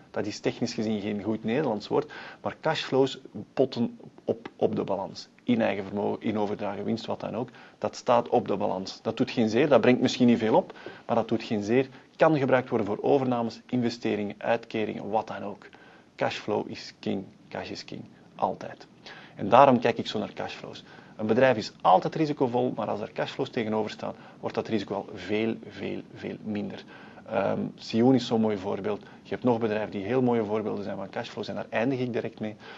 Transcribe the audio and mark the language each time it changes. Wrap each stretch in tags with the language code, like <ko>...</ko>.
<nl>Dat is technisch gezien geen goed Nederlands woord, maar cashflows potten op de balans. In eigen vermogen, in overdragen, winst, wat dan ook. Dat staat op de balans. Dat doet geen zeer, dat brengt misschien niet veel op, maar dat doet geen zeer. Kan gebruikt worden voor overnames, investeringen, uitkeringen, wat dan ook.</nl> <en>Cashflow is king, cash is king.</en> <nl>Altijd. En daarom kijk ik zo naar cashflows. Een bedrijf is altijd risicovol, maar als er cashflows tegenover staan, wordt dat risico al veel, veel, veel minder. Sioen is zo'n mooi voorbeeld. Je hebt nog bedrijven die heel mooie voorbeelden zijn van cashflows en daar eindig ik direct mee.</nl>